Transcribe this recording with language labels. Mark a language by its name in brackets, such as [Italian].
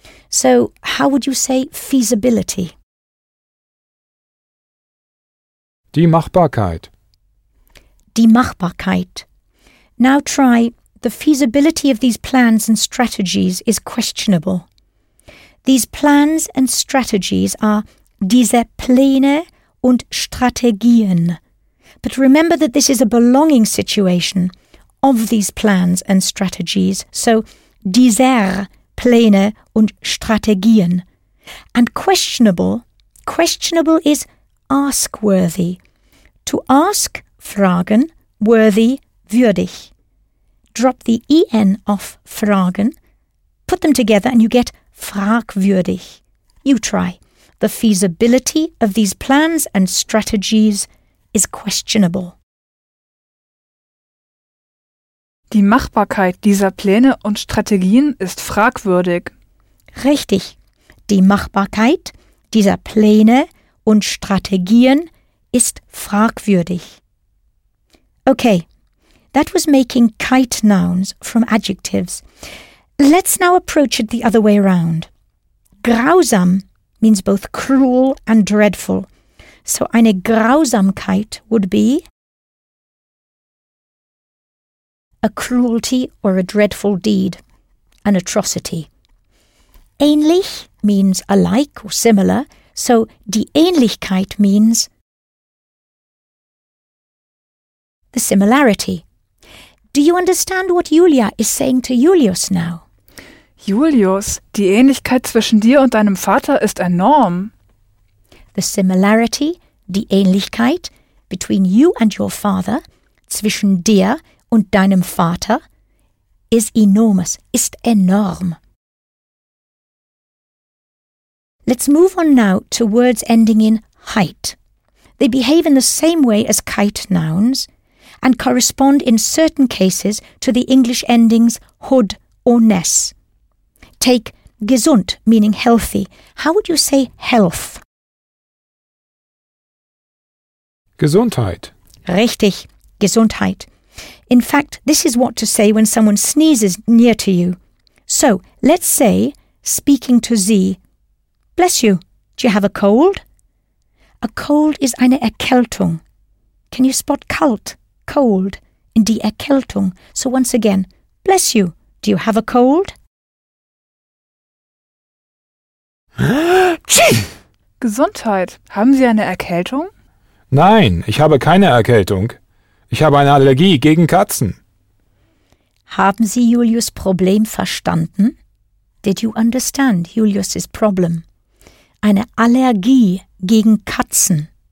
[English] So, how would you say feasibility? [German] Die Machbarkeit. Die Machbarkeit. [English] Now try, the feasibility of these plans and strategies is questionable. These plans and strategies are [German] diese Pläne und Strategien. [English] But remember that this is a belonging situation of these plans and strategies, so [German] dieser Pläne und Strategien. [English] And questionable is ask-worthy. To ask, fragen, worthy, würdig. Drop the en off fragen, put them together and you get fragwürdig. You try. The feasibility of these plans and strategies is questionable. [German] Die Machbarkeit dieser Pläne und Strategien ist fragwürdig. Richtig. Die Machbarkeit dieser Pläne und Strategien ist fragwürdig. [English] Okay, that was making kite nouns from adjectives. Let's now approach it the other way around. Grausam means both cruel and dreadful. So eine Grausamkeit would be a cruelty or a dreadful deed, an atrocity. Ähnlich means alike or similar, so die Ähnlichkeit means the similarity. Do you understand what Julia is saying to Julius now? [German] Julius, die Ähnlichkeit zwischen dir und deinem Vater ist enorm. [English] The similarity, die Ähnlichkeit, between you and your father, [German] zwischen dir und deinem Vater, [English] is enormous, [German] ist enorm. [English] Let's move on now to words ending in height. They behave in the same way as kite nouns and correspond in certain cases to the English endings hood or ness. Take gesund, meaning healthy. How would you say health? [German] Gesundheit. Richtig, Gesundheit. [English] In fact, this is what to say when someone sneezes near to you. So, let's say, speaking to Sie, bless you, do you have a cold? A cold is eine Erkältung. Can you spot kalt, cold, in die Erkältung? So once again, bless you, do you have a cold? [German] Gesundheit, haben Sie eine Erkältung? Nein, ich habe keine Erkältung. Ich habe eine Allergie gegen Katzen. Haben Sie Julius' Problem verstanden? [English] Did you understand Julius' problem? [German] Eine Allergie gegen Katzen.